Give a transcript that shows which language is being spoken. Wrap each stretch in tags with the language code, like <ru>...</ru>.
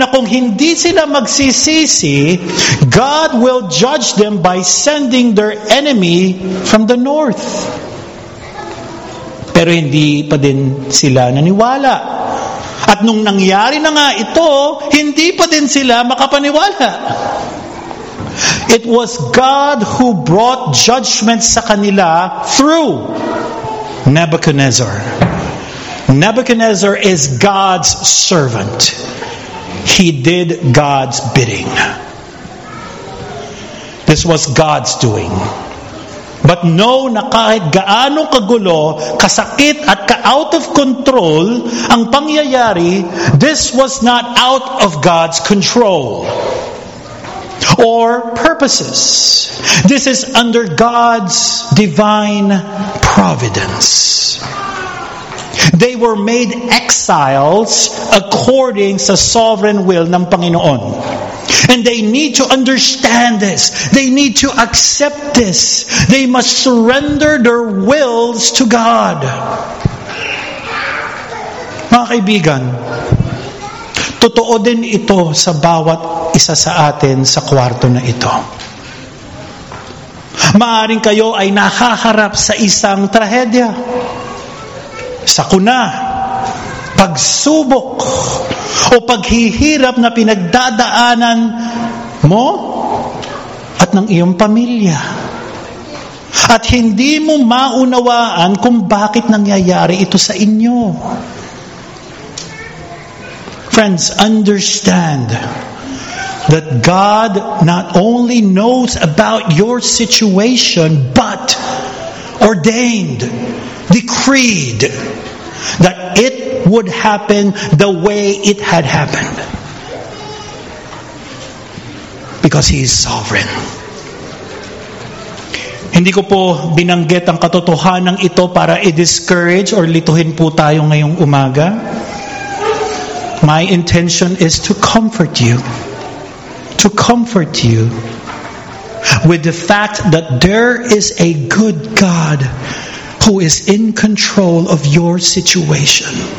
<tl>Na kung hindi sila magsisisi,</tl> <en>God will judge them by sending their enemy from the north.</en> <tl>Pero hindi pa din sila naniwala. At nung nangyari na nga ito, hindi pa din sila makapaniwala.</tl> <en>It was God who brought judgment</en> <tl>sa kanila</tl> <en>through Nebuchadnezzar. Nebuchadnezzar is God's servant. He did God's bidding. This was God's doing. But know</en> <tl>na kahit gaano kagulo, kasakit at ka-out of control ang pangyayari,</tl> <en>this was not out of God's control or purposes. This is under God's divine providence. They were made exiles according sa sovereign will</en> <tl>ng Panginoon.</tl> <en>And they need to understand this. They need to accept this. They must surrender their wills to God.</en> <tl>Mga kaibigan, totoo din ito sa bawat isa sa atin sa kwarto na ito. Maaring kayo ay nakaharap sa isang trahedya. Sakuna, pagsubok, o paghihirap na pinagdadaanan mo at ng iyong pamilya. At hindi mo maunawaan kung bakit nangyayari ito sa inyo.</tl> <en>Friends, understand that God not only knows about your situation, but ordained, decreed, that it would happen the way it had happened. Because He is sovereign.</en> <tl>Hindi ko po binanggit ang katotohanan ito para i-discourage or lituhin po tayo ngayong umaga.</tl> <en>My intention is to comfort you. To comfort you with the fact that there is a good God who is in control of your situation.</en>